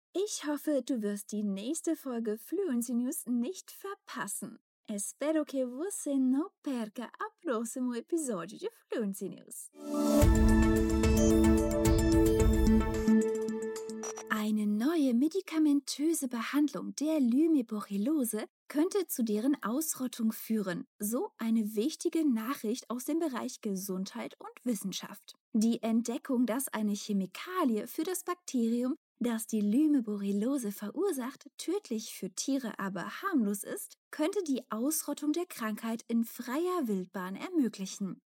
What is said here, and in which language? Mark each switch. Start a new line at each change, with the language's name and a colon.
German: Ich hoffe, du wirst die nächste Folge Fluency News nicht verpassen.
Portuguese: Espero que você não perca o próximo episódio de Fluency News.
German: Eine neue medikamentöse Behandlung der Lyme-Borreliose könnte zu deren Ausrottung führen. So eine wichtige Nachricht aus dem Bereich Gesundheit und Wissenschaft. Die Entdeckung, dass eine Chemikalie für das Bakterium, das die Lyme-Borreliose verursacht, tödlich für Tiere aber harmlos ist, könnte die Ausrottung der Krankheit in freier Wildbahn ermöglichen.